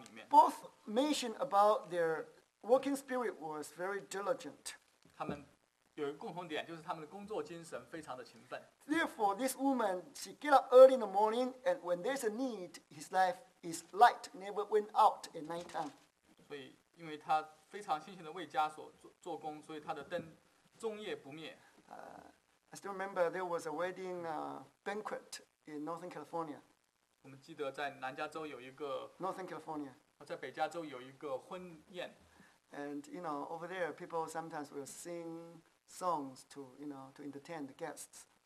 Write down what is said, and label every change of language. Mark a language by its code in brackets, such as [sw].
[en] Both mentioned about their working spirit was very diligent. [zh] 有一个共同点，就是他们的工作精神非常的勤奋。 [en] Therefore, this woman, she get up early in the morning, and when there's a need, his life is light, never went out at night time. [zh] 所以，因为她非常辛勤的为家所做工，所以她的灯终夜不灭。 [en] I still remember there was a wedding banquet in Northern California. [zh] 我们记得在南加州有一个 [en] Northern California. [zh] 在北加州有一个婚宴。 [en] And you know, over there, people sometimes will sing songs to, you know, to entertain the guests.